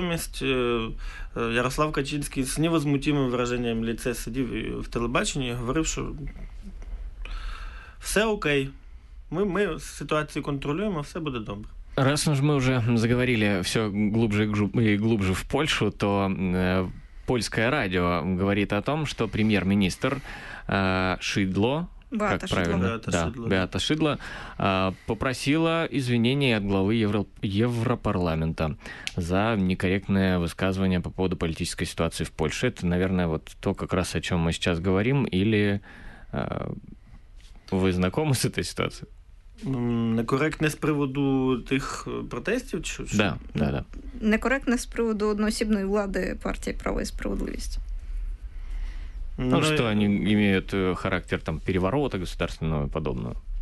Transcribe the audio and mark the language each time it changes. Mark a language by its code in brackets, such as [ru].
[uk] Натомість Ярослав Качинський з невозмутимим враженням ліце сидів в телебаченні і говорив, що все окей, ми ситуацію контролюємо, все буде добре. [ru] Раз уж мы уже заговорили все глубже и глубже в Польшу, то польское радио говорит о том, что премьер-министр Шидло, Беата как правильно, Шидло. Да, Беата Шидло, попросила извинения от главы Европарламента за некорректное высказывание по поводу политической ситуации в Польше. Это, наверное, вот то, как раз о чем мы сейчас говорим, или вы знакомы с этой ситуацией? [uk] Некоректне з приводу тих протестів? Чи, да, да, да. Некоректне з приводу одноосібної влади партії «Право і справедливість». [ru] Ну, ну что, они имеют характер там переворота государственного и подобного?